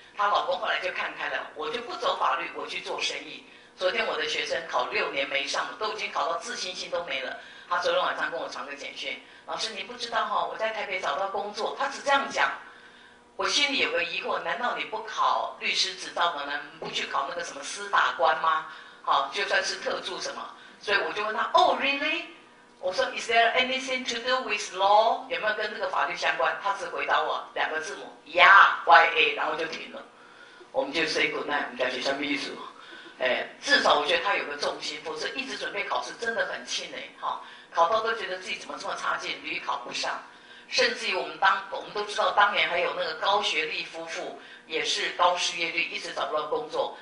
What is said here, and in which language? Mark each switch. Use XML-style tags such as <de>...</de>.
<zh>她老公后来就看开了，我就不走法律，我去做生意。昨天我的学生考6年没上，都已经考到自信心都没了，他昨天晚上跟我传个简讯，老师你不知道哈、哦，我在台北找到工作。他只这样讲，我心里有个疑惑，难道你不考律师执照的呢？不去考那个什么司法官吗？好、哦，就算是特助什么？所以我就问他，哦 ，</zh> <en>really？</en> <zh>我说</zh> <en>，Is there anything to do with law？</en> <zh>有没有跟这个法律相关？他只回答我两个字母 ，Yeah，Y-A， 然后就停了。我们就</zh> <en>say goodnight，</en> <zh>我们家学校秘书。哎，至少我觉得他有个重心，否则一直准备考试真的很气馁哈、哦。考到都觉得自己怎么这么差劲，屡考不上。甚至于我们都知道，当年还有那个高学历夫妇，也是高失业率，一直找不到工作。</zh>